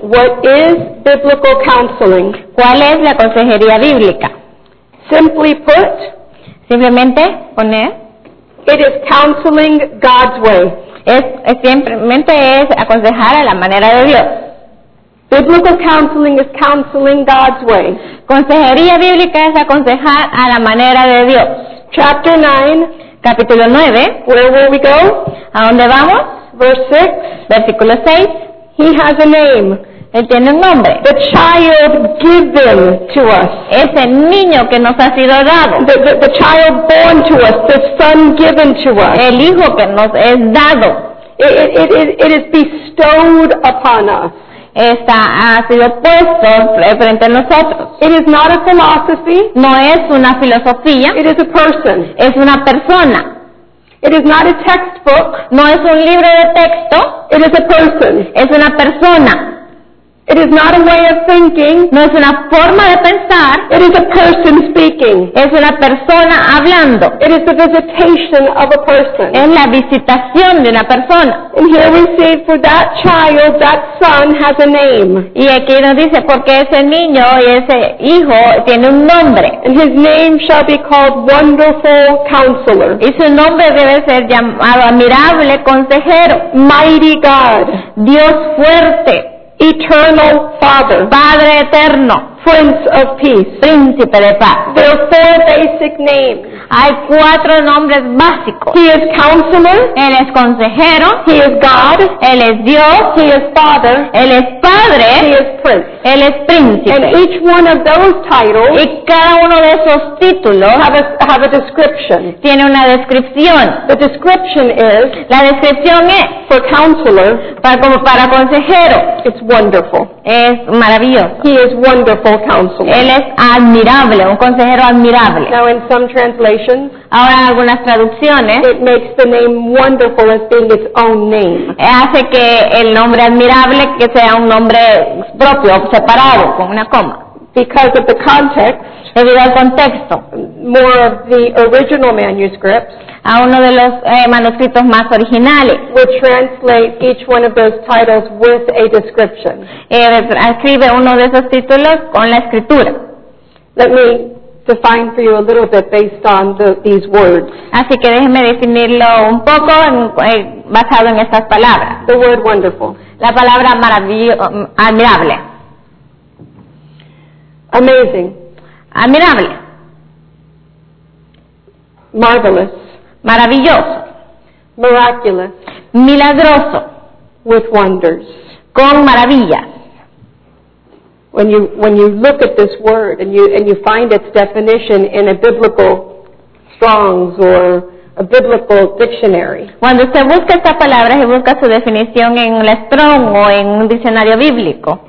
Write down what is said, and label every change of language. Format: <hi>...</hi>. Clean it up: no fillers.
<en>What is biblical counseling?</en> <es>¿Cuál es la consejería bíblica?</es> <en>Simply put,</en> <es>simplemente poner,</es> <en>it is counseling God's way.</en> <es>Es simplemente es aconsejar a la manera de Dios.</es> <en>Biblical counseling is counseling God's way.</en> <es>Consejería bíblica es aconsejar a la manera de Dios.</es> <en>Chapter 9,</en> <es>capítulo 9.</es> <en>Where will we go?</en> <es>¿A dónde vamos?</es> <en>Verse 6,</en> <es>versículo 6.</es> <en>He has a name.</en> <es>Él tiene un nombre.</es> <en>The child given to us.</en> <es>Ese niño que nos ha sido dado.</es> <en>The child born to us. The son given to us.</en> <es>El hijo que nos es dado.</es> <en>It is bestowed upon us.</en> <es>Está, ha sido puesto frente a nosotros.</es> <en>It is not a philosophy.</en> <es>No es una filosofía.</es> <en>It is a person.</en> <es>Es una persona.</es> <en>It is not a textbook.</en> <es>No es un libro de texto.</es> <en>It is a person.</en> <es>Es una persona.</es> <en>It is not a way of thinking.</en> <es>No es una forma de pensar.</es> <en>It is a person speaking.</en> <es>Es una persona hablando.</es> <en>It is the visitation of a person.</en> <es>Es la visitación de una persona.</es> <en>And here we see, for that child, that son has a name.</en> <es>Y aquí nos dice, porque ese niño y ese hijo tiene un nombre.</es> <en>And his name shall be called Wonderful Counselor.</en> <es>Y su nombre debe ser llamado Admirable Consejero.</es> <en>Mighty God.</en> <es>Dios fuerte.</es> <en>Eternal Father,</en> <es>Padre eterno,</es> <en>Prince of Peace,</en> <es>Príncipe de Paz.</es> <en>There are four basic names.</en> <es>Hay cuatro nombres básicos.</es> <en>He is Counselor.</en> <es>Él es consejero.</es> <en>He is God.</en> <es>Él es Dios.</es> <en>He is Father.</en> <es>Él es Padre.</es> <en>He is Prince.</en> <es>Él es Príncipe.</es> <en>And each one of those titles,</en> <es>y cada uno de esos títulos,</es> <en>have a description.</en> <es>Tiene una descripción.</es> <en>The description is,</en> <es>la descripción es,</es> <en>for Counselor,</en> <es>para, como para consejero,</es> <en>it's wonderful.</en> <es>Es maravilloso.</es> <en>He is Wonderful Counselor.</en> <es>Él es admirable, un consejero admirable.</es> <en>Now in some translations,</en> <es>ahora en algunas traducciones,</es> <en>it makes the name Wonderful as being its own name.</en> <es>Hace que el nombre admirable que sea un nombre propio, separado, con una coma.</es> <en>Because of the context,</en> <es>debido al contexto,</es> <en>more of the original manuscripts,</en> <es>a uno de los manuscritos más originales,</es> <en>would translate each one of those titles with a description.</en> <es>Escribe uno de esos títulos con la escritura.</es> <en>Let me define for you a little bit based on these words.</en> <es>Así que déjeme definirlo un poco basado en estas palabras.</es> <en>The word wonderful.</en> <es>La palabra admirable.</es> <en>Amazing.</en> <es>Admirable.</es> <en>Marvelous.</en> <es>Maravilloso.</es> <en>Miraculous.</en> <es>Milagroso.</es> <en>With wonders.</en> <es>Con maravillas.</es> <en>When you look at this word and you find its definition in a biblical Strong's or a biblical dictionary.</en> <es>Cuando se busca esta palabra, se busca su definición en el Strong o en un diccionario bíblico.</es>